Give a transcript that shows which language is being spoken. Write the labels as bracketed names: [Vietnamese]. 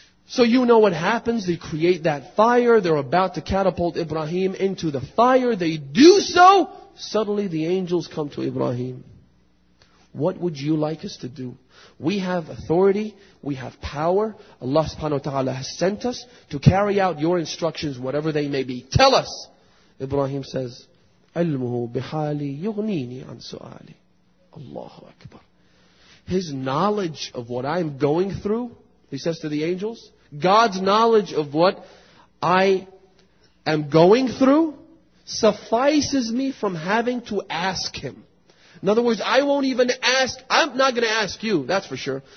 [English] So you know what happens, they create that fire, they're about to catapult Ibrahim into the fire, they do so, suddenly the angels come to Ibrahim. What would you like us to do? We have authority, we have power, Allah subhanahu wa ta'ala has sent us to carry out your instructions, whatever they may be. Tell us! Ibrahim says, [Arabic] أَلْمُهُ بِحَالِي يُغْنِينِي عَنْ سُؤَالِي. Allahu Akbar. [English] His knowledge of what I'm going through, he says to the angels. God's knowledge of what I am going through suffices me from having to ask Him. In other words, I'm not going to ask you, that's for sure.